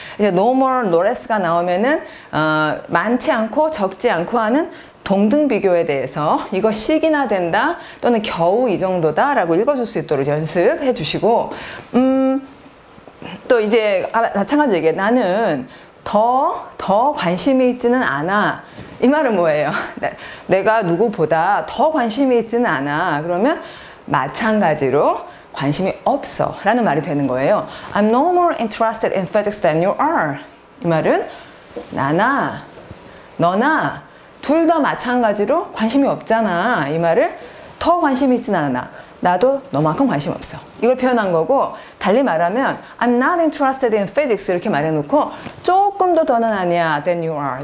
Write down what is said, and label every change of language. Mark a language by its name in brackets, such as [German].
[Korean] 이제 노멀 노레스가 나오면은 많지 않고 적지 않고 하는 동등 비교에 대해서 이거 시기나 된다 또는 겨우 이 정도다 라고 읽어줄 수 있도록 연습해 주시고, 또 이제 마찬가지로 얘기해. 나는 더 관심이 있지는 않아. 이 말은 뭐예요? 내가 누구보다 더 관심이 있지는 않아. 그러면 마찬가지로 관심이 없어 라는 말이 되는 거예요. [English] I'm no more interested in physics than you are. [Korean] 이 말은 나나 너나 둘 다 마찬가지로 관심이 없잖아. 이 말을 더 관심이 있진 않아. 나도 너만큼 관심 없어. 이걸 표현한 거고, 달리 말하면 [English] I'm not interested in physics [Korean] 이렇게 말해놓고 조금 더 더는 아니야 [English] than you are.